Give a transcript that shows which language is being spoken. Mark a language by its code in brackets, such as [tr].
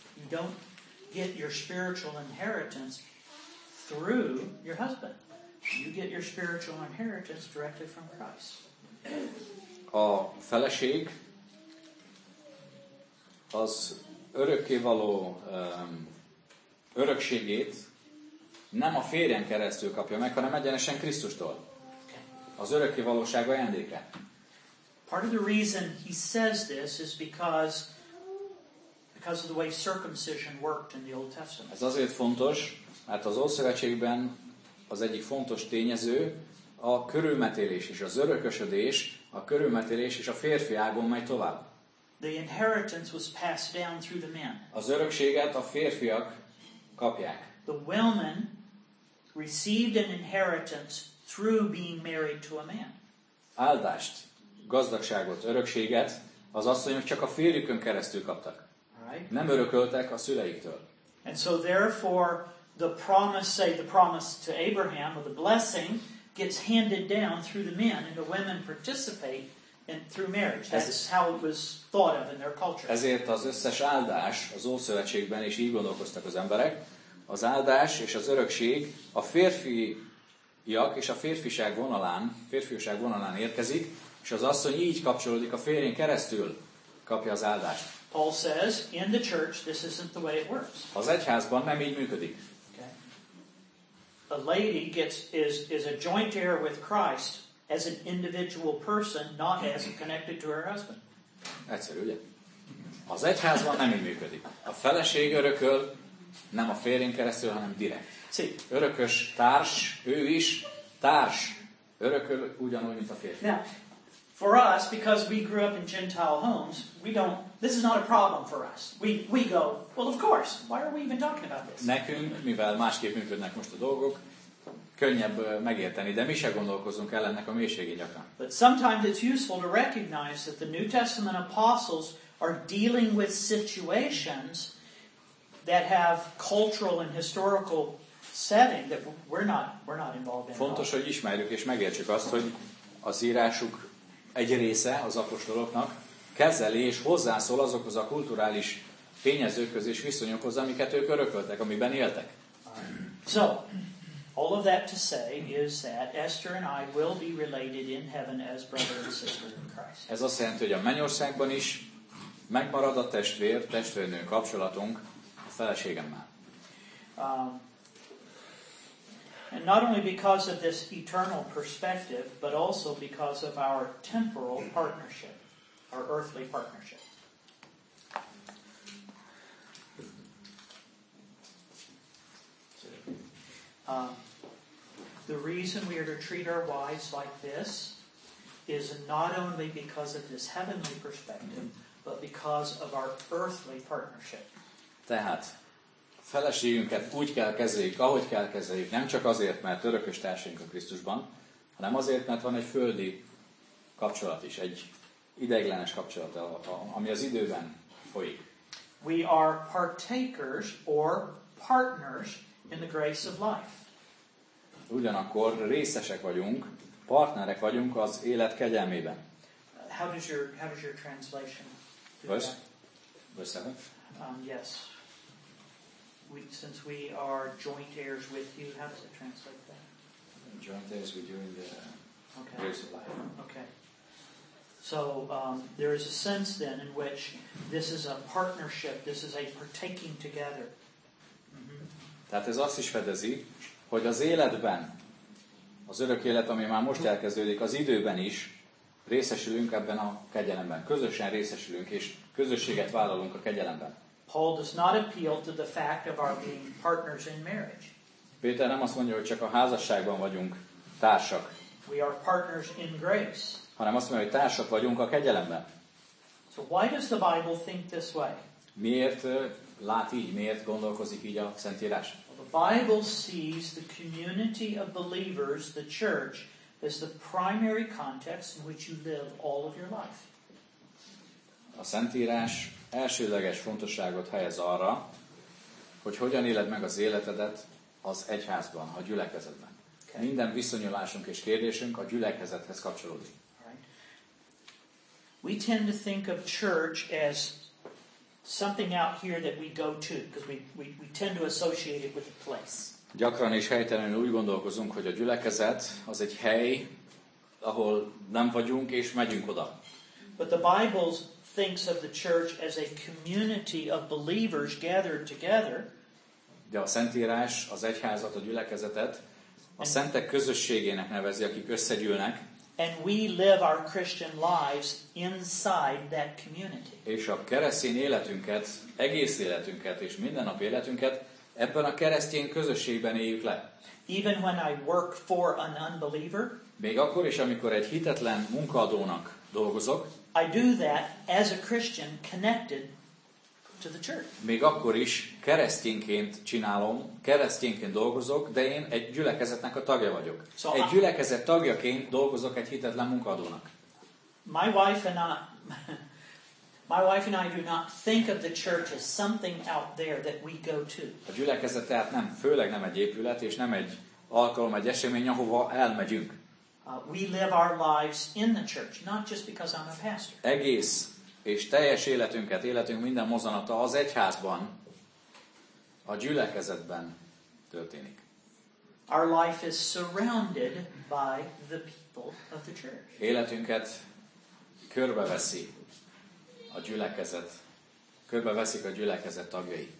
[en] You don't get your spiritual inheritance through your husband. you get your spiritual inheritance directly from Christ. [hu] A feleség az örökkévaló örökségét nem a férjen keresztül kapja meg, hanem egyenesen Krisztustól. Az örökkévalóság ajándéka. [en] Part of the reason he says this is because of the way circumcision worked in the Old Testament. [hu] Ez azért fontos, mert az Ószövetségben az egyik fontos tényező a körülmetélés és az örökösödés, a körülmetélés és a férfi ágon megy tovább. [en] The inheritance was passed down through the men. [hu] Az örökséget a férfiak kapják. [en] The women received an inheritance through being married to a man. [hu] Áldást, gazdagságot, örökséget az asszonyok csak a férjükön keresztül kaptak. [en] Right. [hu] Nem örököltek a szüleiktől. [en] And so therefore the promise, say the promise to Abraham or the blessing gets handed down through the men and the women participate in through marriage. That is how it was thought of in their culture. [hu] Ezért az összes áldás az Ószövetségben is így gondolkoztak az emberek. Az áldás és az örökség a férfiak és a férfiság vonalán érkezik, és az asszony így kapcsolódik a férjén keresztül, kapja az áldást. [en] Paul says, in the church, this isn't the way it works. [hu] Az egyházban nem így működik. [en] Okay. A lady gets is a joint heir with Christ as an individual person, not as connected to her husband. [hu] Egyszerű, ugye? Az egyházban nem így működik. A feleség örököl, nem a férjén keresztül, hanem direkt. Örökös társ, ő is társ. Örököl ugyanúgy, mint a férfi. [en] Now, for us, because we grew up in Gentile homes, we don't, this is not a problem for us. We go, well, of course, why are we even talking about this? [hu] Nekünk, mivel másképp működnek most a dolgok, könnyebb megérteni, de mi se gondolkozunk el ennek a mélységén gyakran. [en] But sometimes it's useful to recognize that the New Testament apostles are dealing with situations that have cultural and historical setting that we're not involved in. [hu] Fontos, hogy ismerjük és megértsük azt, hogy az írásuk egy része az apostoloknak kezeli és hozzászól azokhoz a kulturális tényezőkhöz és viszonyokhoz, amiket ők örököltek, amiben éltek. [en] So, all of that to say is that Esther and I will be related in heaven as brother and sister in Christ. [hu] Ez azt jelenti, hogy a mennyországban is megmarad a testvér, testvérnő kapcsolatunk, feleségemmel. [en] And not only because of this eternal perspective, but also because of our temporal partnership, our earthly partnership. The reason we are to treat our wives like this is not only because of this heavenly perspective, but because of our earthly partnership. [hu] Tehát feleségünket úgy kell kezeljük, ahogy kell kezeljük, nem csak azért, mert örökös társaink a Krisztusban, hanem azért, mert van egy földi kapcsolat is, egy ideiglenes kapcsolat, ami az időben folyik. [en] We are partakers or partners in the grace of life. [hu] Ugyanakkor részesek vagyunk, partnerek vagyunk az élet kegyelmében. [en] How does your translation? Verse 7. Yes. Since we are joint heirs with you, how does it translate that? Joint heirs with you in the grace of life. Okay. So there is a sense then in which this is a partnership, this is a partaking together. Mm-hmm. [hu] Tehát ez azt is fedezi, hogy az életben, az örök élet, ami már most elkezdődik, az időben is részesülünk ebben a kegyelemben. Közösen részesülünk és közösséget vállalunk a kegyelemben. [en] Paul does not appeal to the fact of our being partners in marriage. [hu] Péter nem azt mondja, hogy csak a házasságban vagyunk társak. [en] We are partners in grace. [hu] Hanem azt mondja, hogy társak vagyunk a kegyelemben. [en] So why does the Bible think this way? [hu] Miért lát így, miért gondolkozik így a Szentírás? [en] Well, the Bible sees the community of believers, the church, as the primary context in which you live all of your life. [hu] A Szentírás elsődleges fontosságot helyez arra, hogy hogyan éled meg az életedet az egyházban, a gyülekezetben. [en] Okay. [hu] Minden viszonyulásunk és kérdésünk a gyülekezethez kapcsolódik. [en] We tend to think of church as something out here that we go to, because we tend to associate it with a place. [hu] Gyakran és helytelenül úgy gondolkozunk, hogy a gyülekezet az egy hely, ahol nem vagyunk és megyünk oda. [en] But the Bible thinks of the church as a community of believers gathered together. [hu] De a Szentírás az egyházat, a gyülekezetet a szentek közösségének nevezi, akik összegyűlnek. [en] And we live our Christian lives inside that community. [hu] És a keresztény életünket, egész életünket és mindennapi életünket ebben a keresztény közösségben éljük le. [en] Even when I work for an unbeliever, [hu] még akkor is, amikor egy hitetlen munkaadónak dolgozok, [en] I do that as a Christian connected to the church. [hu] Még akkor is keresztényként csinálom, keresztényként dolgozok, de én egy gyülekezetnek a tagja vagyok. So egy gyülekezet tagjaként dolgozok egy hitetlen munkaadónak. [en] My wife and I do not think of the church as something out there that we go to. [hu] A gyülekezet tehát nem, főleg nem egy épület és nem egy alkalom, egy esemény, ahova elmegyünk. [en] We live our lives in the church, not just because I'm a pastor. [hu] Egész és teljes életünket, életünk minden mozanata az egyházban, a gyülekezetben történik. [en] Our life is surrounded by the people of the church. [hu] Életünket körbeveszi a gyülekezet, körbeveszik a gyülekezet tagjai.